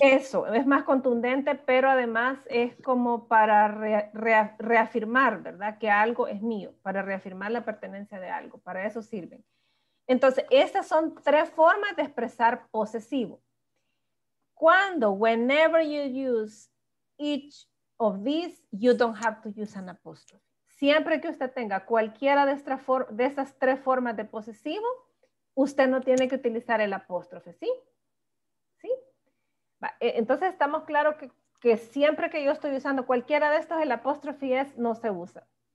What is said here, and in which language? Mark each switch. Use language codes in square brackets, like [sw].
[es] Eso, es más contundente, pero además es como para reafirmar, ¿verdad? Que algo es mío, para reafirmar la pertenencia de algo, para eso sirven. Entonces, estas son tres formas de expresar posesivo. [en] Cuando, whenever you use each of these, you don't have to use an apostrophe. [es] Siempre que usted tenga cualquiera de esas tres formas de posesivo, usted no tiene que utilizar el apóstrofe, ¿sí? Entonces estamos claros que siempre que yo estoy usando cualquiera de estos, el apóstrofe es, no se usa.